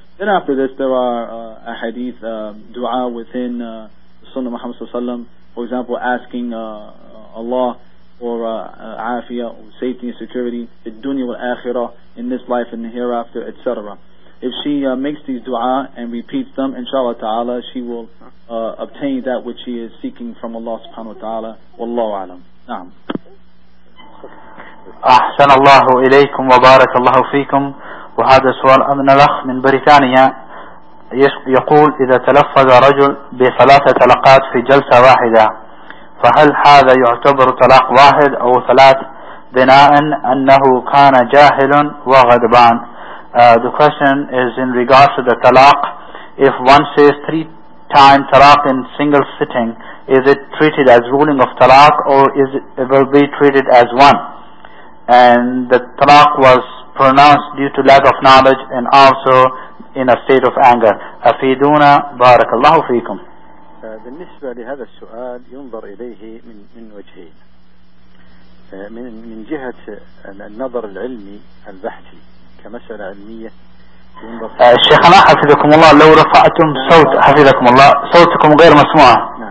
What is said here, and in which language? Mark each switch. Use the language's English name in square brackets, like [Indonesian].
[English] Then after this there are a hadith dua within Sunnah Muhammad sallallahu alaihi wasallam, for example asking Allah for afia, or safety and security, the dunya wal akhirah, in this life and the hereafter, etc. If she makes these dua and repeats them, inshallah ta'ala, she will obtain that which she is seeking from Allah subhanahu wa ta'ala. [Arabic] Wallahu alam. Naam. أحسن الله إليكم وبارك الله فيكم. وهذا سؤال من الأخ من بريطانيا, يقول إذا تلفظ رجل بثلاث طلقات في جلسة واحدة فهل هذا يعتبر طلاق واحد أو ثلاث بناء أنه كان جاهل وغضبان؟ [English] The question is in regards to the talaq. If one says three times talaq in single sitting, is it treated as ruling of talaq or is it will be treated as one? And the talaq was pronounced due to lack of knowledge and also in a state of anger. [Arabic] أفيدونا بارك الله فيكم. بالنسبة لهذا السؤال ينظر إليه من وجهين, من جهة النظر العلمي البحثي كمسألة علمية. الشيخ أنا حفظكم الله, لو رفعتم صوت حفظكم الله صوتكم غير مسموع.